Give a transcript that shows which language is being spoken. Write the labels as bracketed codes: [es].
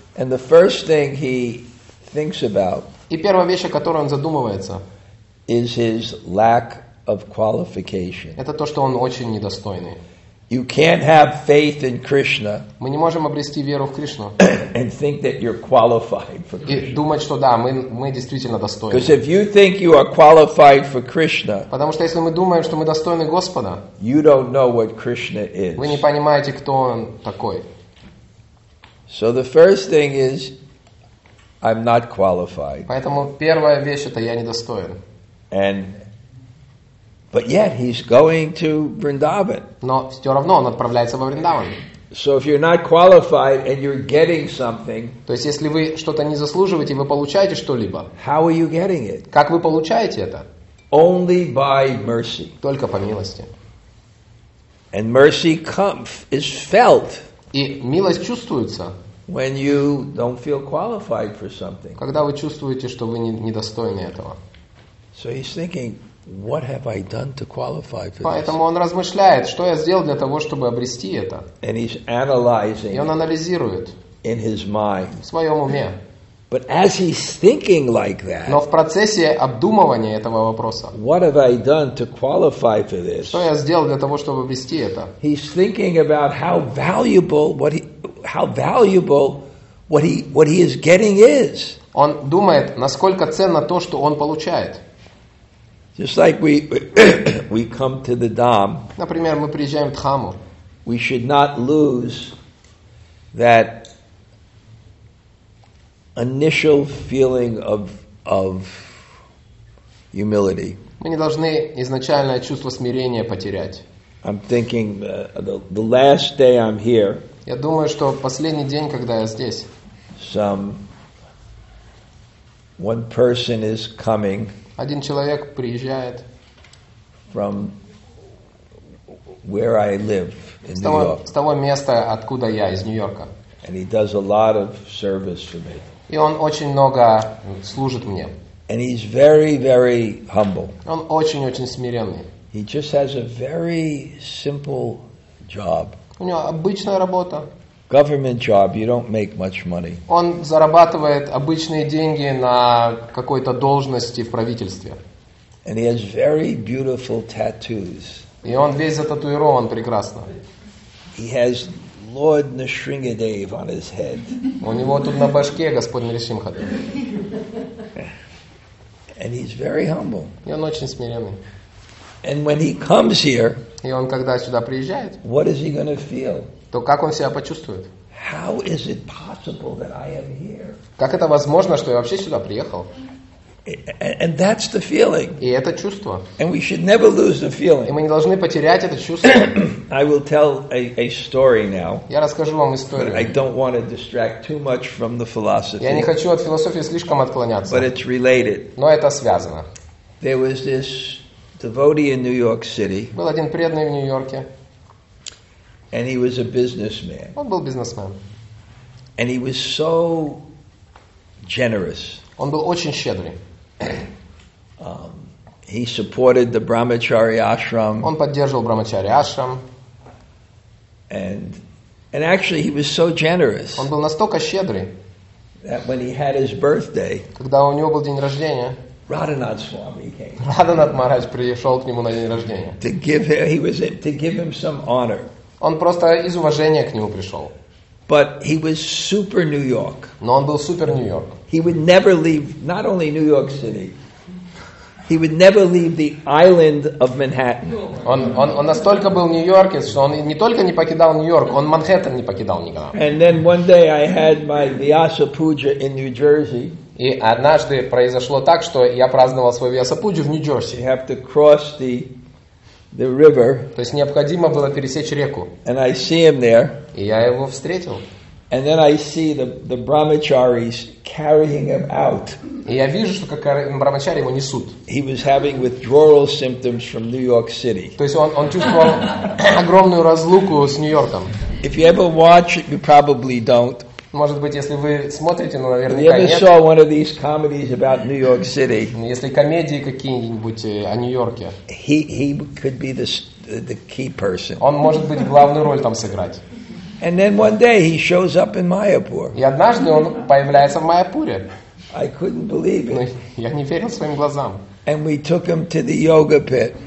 [en] And the first thing he thinks about. [ru] И первая вещь, о которой он задумывается, [en] is his lack of qualification. [ru] Это то, что он очень недостойный. [en] You can't have faith in Krishna. [ru] Мы не можем обрести веру в Кришну. [en] And think that you're qualified for Krishna. [ru] И думать, что да, мы действительно достойны. [en] Because if you think you are qualified for Krishna, [ru] потому что если мы думаем, что мы достойны Господа, [en] you don't know what Krishna is. [ru] Вы не понимаете, кто он такой. [en] So the first thing is. I'm not qualified. [ru] Поэтому первая вещь это я недостоин. [en] And but yet he's going to Vrindavan. [ru] Но все равно он отправляется во Вриндаван. [en] So if you're not qualified and you're getting something, [ru] то есть если вы что-то не заслуживаете, вы получаете что-либо. [en] How are you getting it? [ru] Как вы получаете это? [en] Only by mercy. [ru] Только по милости. [en] And mercy comes is felt. [ru] И милость чувствуется. [en] When you don't feel qualified for something. [ru] Когда вы чувствуете, что вы недостойны этого. [en] So he's thinking, what have I done to qualify for this? [ru] Поэтому он размышляет, что я сделал для того, чтобы обрести это. [en] And he's analyzing. [ru] И он анализирует. [en] In his mind. [ru] В своем уме. [en] But as he's thinking like that. [ru] Но в процессе обдумывания этого вопроса. [en] What have I done to qualify for this? [ru] Что я сделал для того, чтобы обрести это? [en] He's thinking about how valuable what he. How valuable what he is getting is. [ru] Он думает, насколько ценно то, что он получает. [en] Just like we come to the Dham. [ru] Например, мы приезжаем в Дхаму. [en] We should not lose that initial feeling of humility. [ru] Мы не должны изначальное чувство смирения потерять. [en] I'm thinking the last day I'm here. [ru] Я думаю, что последний день, когда я здесь, [en] one person is coming. [ru] Один человек приезжает [en] from where I live in New York. [ru] С того места, откуда я, из Нью-Йорка. [en] And he does a lot of service for me. [ru] И он очень много служит мне. [en] And he's very, very humble. [ru] Он очень-очень смиренный. [en] He just has a very simple job. [ru] У него обычная работа. [en] Government job, you don't make much money. [ru] Он зарабатывает обычные деньги на какой-то должности в правительстве. [en] And he has very beautiful tattoos. [ru] И он весь зататуирован прекрасно. [en] He has Lord Nrisimhadev on his head. [ru] У него тут на башке Господь Нрисимхадев. [en] And he's very humble. [ru] И он очень смиренный. [en] And when he comes here, [ru] и он когда сюда приезжает, [en] what is he going to feel? [ru] То как он себя почувствует? [en] How is it possible that I am here? [ru] Как это возможно, что я вообще сюда приехал? [en] And that's the feeling. [ru] И это чувство. [en] And we should never lose the feeling. [ru] И мы не должны потерять это чувство. [en] I will tell a story now. [ru] Я расскажу вам историю. [en] I don't want to distract too much from the philosophy. [ru] Я не хочу от философии слишком отклоняться. [en] But it's related. [ru] Но это связано. [en] There was this devotee in New York City. [ru] Был один преданный в Нью-Йорке. [en] And he was a businessman. [ru] Он был бизнесмен. [en] And he was so generous. [ru] Он был очень щедрый. [en] He supported the Brahmachari ashram. [ru] Он поддерживал Брахмачари ашрам. [en] And actually, he was so generous. [ru] Он был настолько щедрый. [en] That when he had his birthday, [ru] когда у него был день рождения, [en] Radhanath Swami came. [ru] Radhanath Maharaj пришел к нему на день рождения. [en] To give him, he was to give him some honor. [ru] Он просто из уважения к нему пришел. [en] But he was super New York. [ru] Но он был супер Нью-Йорк. [en] He would never leave not only New York City. He would never leave the island of Manhattan. [ru] Он настолько был нью-йоркец, что он не только не покидал Нью-Йорк, он Манхэттен не покидал никогда. [en] And then one day I had my Vyasa Puja in New Jersey. [ru] И однажды произошло так, что я праздновал свою Vyasa Puja в Нью-Джерси. [en] You have to cross the river. [ru] То есть необходимо было пересечь реку. [en] And I see him there. [ru] И я его встретил. [en] And then I see the brahmacharis carrying him out. [ru] И я вижу, что как брахмачари его несут. [en] He was having withdrawal symptoms from New York City. [ru] То есть он чувствовал огромную разлуку с Нью-Йорком. [en] If you ever watch it, you probably don't. [ru] Может быть, если вы смотрите, но наверняка нет. [en] If you ever saw one of these comedies about New York City. [ru] Если комедии какие-нибудь о Нью-Йорке. [en] He could be the key person. [ru] Он может быть главную роль там сыграть. [en] And then one day he shows up in Mayapur. [ru] И однажды он появляется в Майяпуре. [en] I couldn't believe it. [ru] Я не верил своим глазам. [en] And we took him to the yoga pit.